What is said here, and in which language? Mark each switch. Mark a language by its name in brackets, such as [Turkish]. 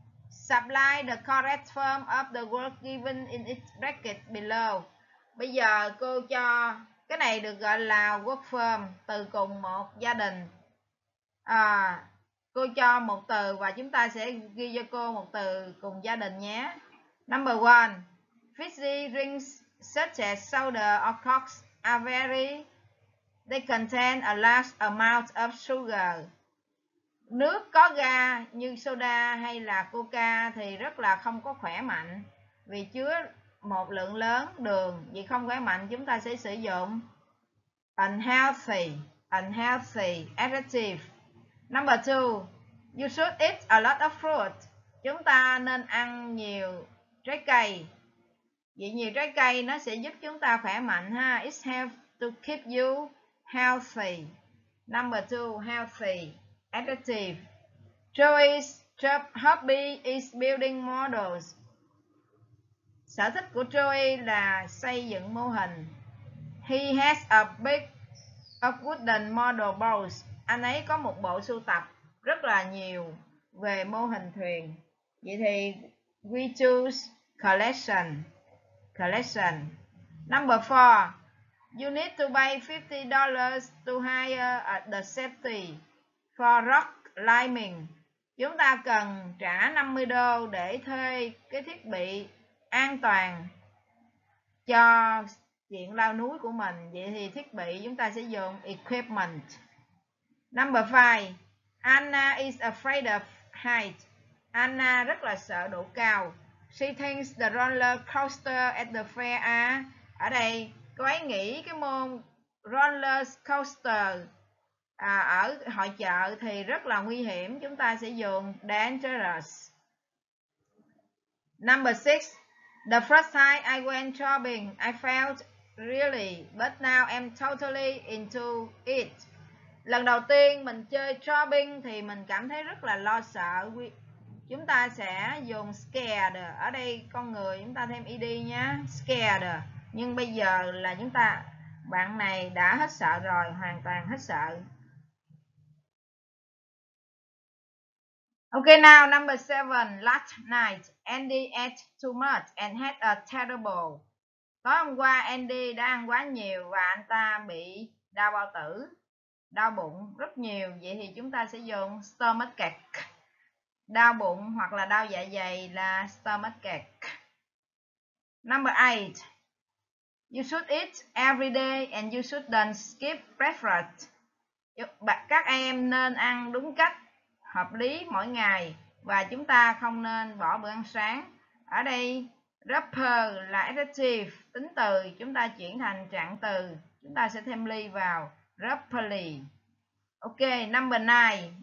[English] Supply the correct form of the word given in its bracket below. [Vietnamese] Bây giờ cô cho cái này được gọi là word form, từ cùng một gia đình. Cô cho một từ và chúng ta sẽ ghi cho cô một từ cùng gia đình nhé. [English] Number 1. Fizzy drinks such as soda or cokes are very, they contain a large amount of sugar. [Vietnamese] Nước có ga như soda hay là coca thì rất là không có khỏe mạnh vì chứa một lượng lớn đường. Vì không khỏe mạnh chúng ta sẽ sử dụng unhealthy adjective. [English] Number 2, you should eat a lot of fruit. [Vietnamese] Chúng ta nên ăn nhiều trái cây. Vậy nhiều trái cây nó sẽ giúp chúng ta khỏe mạnh ha. [English] It helps to keep you healthy. Number 2, healthy adjective. Joey's hobby is building models. [Vietnamese] Sở thích của Joey là xây dựng mô hình. [English] He has a big wooden model boat. [Vietnamese] Anh ấy có một bộ sưu tập rất là nhiều về mô hình thuyền. Vậy thì [English] we choose collection. Number 4. You need to pay $50 to hire at the safety for rock climbing. [Vietnamese] Chúng ta cần trả $50 để thuê cái thiết bị an toàn cho chuyện leo núi của mình. Vậy thì thiết bị chúng ta sẽ dùng equipment. [English] Number 5. Anna is afraid of height. [Vietnamese] Anna rất là sợ độ cao. [English] She thinks the roller coaster at the fair are. [Vietnamese] Ở đây cô ấy nghĩ cái môn roller coaster ở hội chợ thì rất là nguy hiểm. Chúng ta sẽ dùng dangerous. [English] Number 6. The first time I went shopping, I felt really, but now I'm totally into it. [Vietnamese] Lần đầu tiên mình chơi shopping thì mình cảm thấy rất là lo sợ. Chúng ta sẽ dùng scared. Ở đây con người chúng ta thêm ed nhé. Scared. Nhưng bây giờ là chúng ta, bạn này đã hết sợ rồi, hoàn toàn hết sợ. [English] Okay, now number 7. Last night, Andy ate too much and had a terrible. [Vietnamese] Tối hôm qua Andy đã ăn quá nhiều và anh ta bị đau bao tử, đau bụng rất nhiều. Vậy thì chúng ta sẽ dùng stomachache. Đau bụng hoặc là đau dạ dày là stomachache. [English] Number 8. You should eat every day and you should don't skip breakfast. [Vietnamese] Các em nên ăn đúng cách, hợp lý mỗi ngày và chúng ta không nên bỏ bữa ăn sáng. Ở đây, proper là adjective, tính từ, chúng ta chuyển thành trạng từ. Chúng ta sẽ thêm ly vào properly. [English] Ok, number 9.